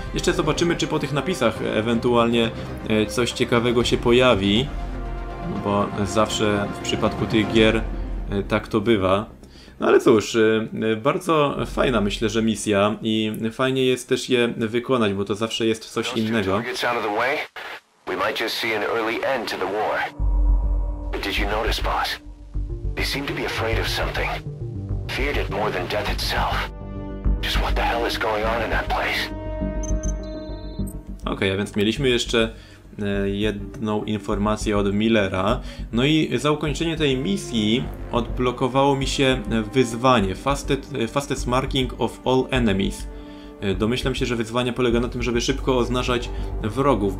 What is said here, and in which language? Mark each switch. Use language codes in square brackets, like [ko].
[pl] Jeszcze zobaczymy, czy po tych napisach ewentualnie coś ciekawego się pojawi. Bo zawsze w przypadku tych gier tak to bywa. Ale cóż, bardzo fajna myślę, że misja i fajnie jest też je wykonać, bo to zawsze jest coś innego. [en] We might just see an early end to the war. But did you notice, boss? They seem to be afraid of something. Feared it more than death itself. Just what the hell is going on in that place? [pl] Okej, a więc mieliśmy jeszcze jedną informację od Millera. No i za ukończenie tej misji odblokowało mi się wyzwanie. [en] Fastest marking of all enemies. [pl] Domyślam się, że wyzwanie polega na tym, żeby szybko oznaczać wrogów.